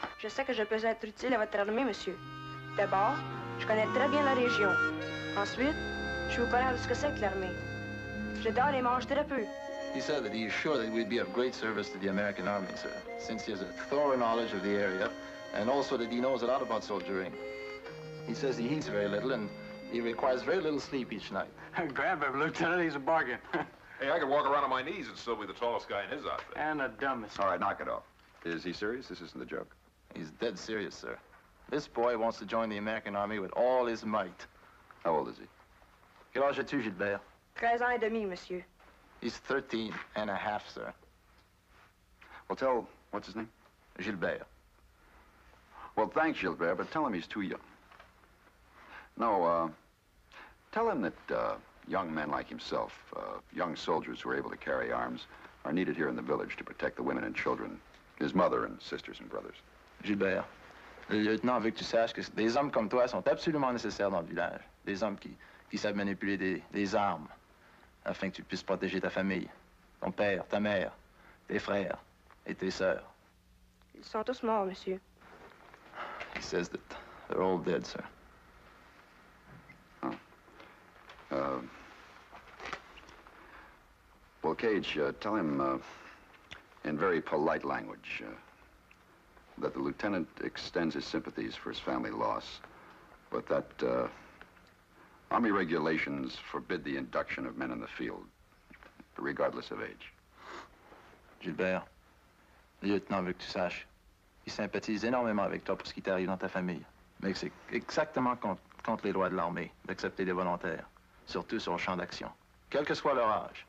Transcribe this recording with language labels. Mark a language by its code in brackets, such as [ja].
[fr] Je sais que je peux être utile à votre armée, monsieur. D'abord, je connais très bien la région. Ensuite, je vous connais de ce que c'est que l'armée. Je dors et mange très peu. [en] He said that he is sure that we'd be of great service to the American army, sir, since he has a thorough knowledge of the area. And also that he knows a lot about soldiering. He says he eats very little and he requires very little sleep each night. Grab him, Lieutenant. He's a bargain. Hey, I could walk around on my knees and still be the tallest guy in his outfit. And the dumbest. All right, knock it off. Is he serious? This isn't a joke. He's dead serious, sir. This boy wants to join the American army with all his might. How old is he? [fr] Quel âge as-tu, Gilbert? 13 ans et demi, monsieur. [en] He's 13 and a half, sir. Well, tell, what's his name? Gilbert. Well, thanks, Gilbert, but tell him he's too young. No, tell him that young men like himself, young soldiers who are able to carry arms, are needed here in the village to protect the women and children, his mother and sisters and brothers. [fr] Gilbert, le lieutenant veut que tu saches que des hommes comme toi sont absolument nécessaires dans le village. Des hommes qui savent manipuler des armes afin que tu puisses protéger ta famille, ton père, ta mère, tes frères et tes sœurs. Ils sont tous morts, monsieur. He says that they're all dead, sir. Oh. [en] Well, Cage, tell him in very polite language that the lieutenant extends his sympathies for his family loss, but that army regulations forbid the induction of men in the field, regardless of age. [fr] Gilbert, lieutenant veut que tu saches. Il sympathise énormément avec toi pour ce qui t'arrive dans ta famille. Mais c'est exactement contre les lois de l'armée d'accepter des volontaires, surtout sur le champ d'action, quel que soit leur âge.